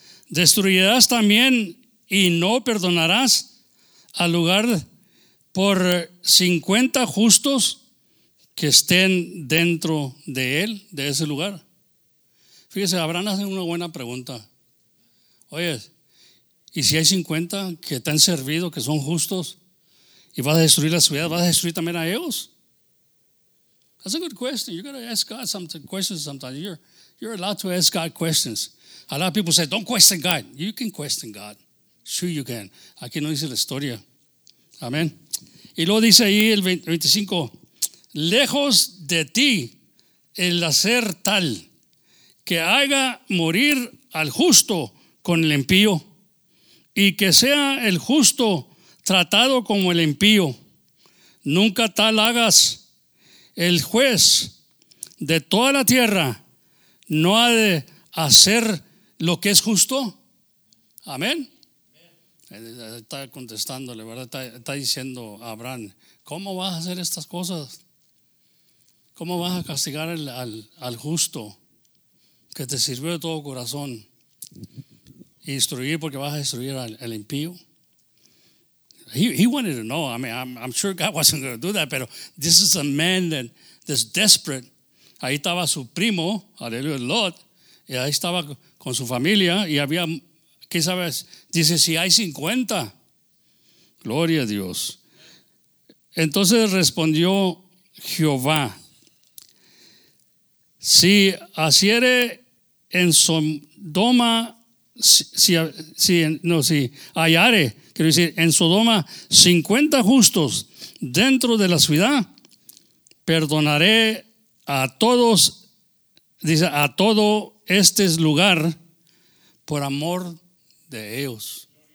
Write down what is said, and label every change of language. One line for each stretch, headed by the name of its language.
Spanish: ¿Destruirás también y no perdonarás al lugar por 50 justos que estén dentro de él, de ese lugar? Fíjese, Abraham hace una buena pregunta. Oye, ¿y si hay 50 que te han servido, que son justos, y vas a destruir la ciudad, vas a destruir también a ellos?
English: That's a good question. You got to ask God some questions sometimes. You're allowed to ask God questions. A lot of people say, don't question God. You can question God. Sure you can.
Spanish: Aquí no dice la historia. Amén. Y luego dice ahí el 25, lejos de ti el hacer tal que haga morir al justo con el impío, y que sea el justo tratado como el impío. Nunca tal hagas. El juez de toda la tierra no ha de hacer lo que es justo. Amén. Está contestándole, ¿verdad? Está diciendo a Abraham, ¿cómo vas a hacer estas cosas? ¿Cómo vas a castigar al justo que te sirvió de todo corazón? Y destruir, porque vas a destruir al impío.
English: He wanted to know. I mean, I'm sure God wasn't going to do that, pero this is a man that's desperate.
Spanish: Ahí estaba su primo, aleluya, Lot, y ahí estaba con su familia, y había, ¿qué sabes? Dice, si hay 50. Gloria a Dios. Entonces respondió Jehová: si haciere en Sodoma, si hallare, quiero decir, en Sodoma 50 justos dentro de la ciudad, perdonaré a todos, dice, a todo este lugar por amor de ellos.